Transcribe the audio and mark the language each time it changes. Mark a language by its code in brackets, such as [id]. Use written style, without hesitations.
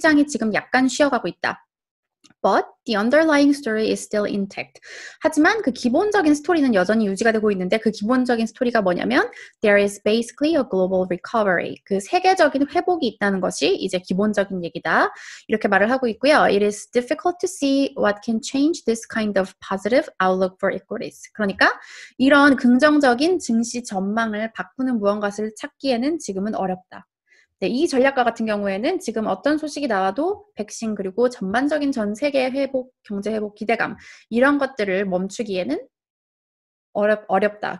[ko] 시장이 지금 약간 쉬어가고 있다. [en] But the underlying story is still intact. [ko] 하지만 그 기본적인 스토리는 여전히 유지가 되고 있는데 그 기본적인 스토리가 뭐냐면 [en] There is basically a global recovery. [ko] 그 세계적인 회복이 있다는 것이 이제 기본적인 얘기다. 이렇게 말을 하고 있고요. [en] It is difficult to see what can change this kind of positive outlook for equities. [ko] 그러니까 이런 긍정적인 증시 전망을 바꾸는 무언가를 찾기에는 지금은 어렵다. 네, 이 전략가 같은 경우에는 지금 어떤 소식이 나와도 백신 그리고 전반적인 전 세계 회복, 경제 회복 기대감, 이런 것들을 멈추기에는 어렵다.